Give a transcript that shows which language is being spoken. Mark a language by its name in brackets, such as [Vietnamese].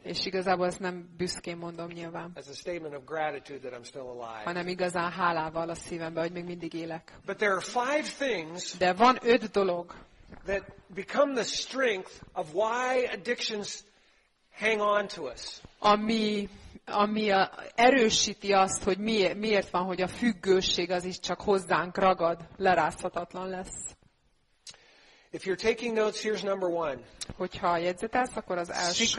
[Hungarian] És igazából ezt nem büszkén mondom nyilván. [English] It's a statement of gratitude that I'm still alive. [Hungarian] Hanem igazán hálával a szívemben, hogy még mindig élek. [English] But there are five things. [Hungarian] De van öt dolog. [English] That become the strength of why addictions hang on to us. [Hungarian] Ami erősíti azt, hogy miért van, hogy a függőség az is csak hozzánk ragad, lerázhatatlan lesz. [English] If you're taking notes, here's number one. [Hungarian] Hogyha jegyzetelsz, akkor az első,